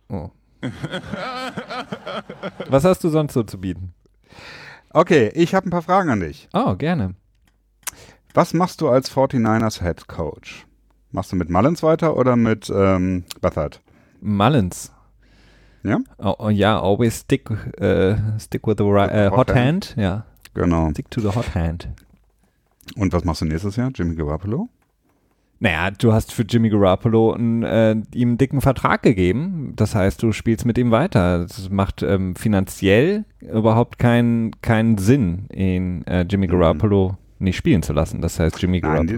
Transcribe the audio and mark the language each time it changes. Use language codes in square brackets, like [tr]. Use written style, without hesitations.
[de] Oh. Was hast du sonst so zu bieten? Okay, ich habe ein paar Fragen an dich. Oh, gerne. Was machst du als 49ers Head Coach? Machst du mit Mullins weiter oder mit Bethard? Mullins. Ja? [en] Oh, ja, always stick with the hot hand. [de] Ja. Genau. [en] Stick to the hot hand. [de] Und was machst du nächstes Jahr? Jimmy Garoppolo? Naja, du hast für Jimmy Garoppolo ihm einen dicken Vertrag gegeben. Das heißt, du spielst mit ihm weiter. Das macht finanziell überhaupt keinen Sinn, ihn Jimmy Garoppolo nicht spielen zu lassen. Das heißt, Jimmy Garoppolo.